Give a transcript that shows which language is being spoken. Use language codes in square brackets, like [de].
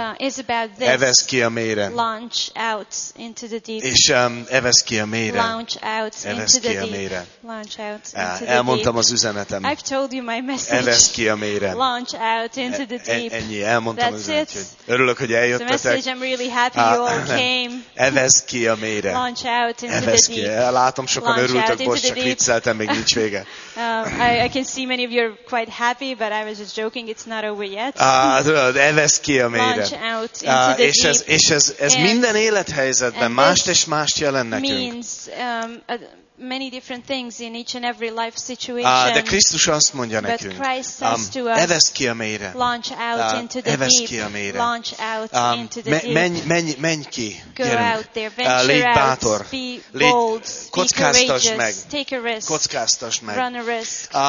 [en] Is about this. [hu] Evesz ki a mélyre. [en] Launch out into the deep. [hu] És evesz ki a mélyre. [en] Launch out into [hu] evesz ki a mélyre. [en] Launch out into [hu] elmondtam [en] the [hu] az üzenetem. [en] I've told you my message. [hu] Evesz ki a mélyre. [en] Launch out into the deep. [hu] Ennyi, elmondtam [en] that's [hu] az üzenetet. [en] It. [hu] Örülök, hogy eljöttetek. [en] The message, I'm really happy you all came. [hu] Evesz ki a mélyre. [en] Launch out into the deep. [hu] Látom, sokan örültek, most csak vicceltem, még nincs vége. [en] I can see many of you are quite happy, but I was just joking, it's not over yet. [hu] Evesz ki a mélyre. [en] Launch out into the deep. [hu] És ez minden élethelyzetben mást és mást jelent nekünk. [en] Means, many different things in each and every life situation. [hu] De Krisztus azt mondja nekünk. Evesz ki a mélyre. [en] Launch out into the [hu] evesz [en] deep. [hu] Ki a mélyre. [en] Launch out into the deep. [hu] Menj ki. [en] Go out there. Venture [hu] légy bátor. [en] Out. Be bold. [hu] Kockáztasd meg. [en] Take a risk. [hu] Kockáztasd meg. [en] Run a risk.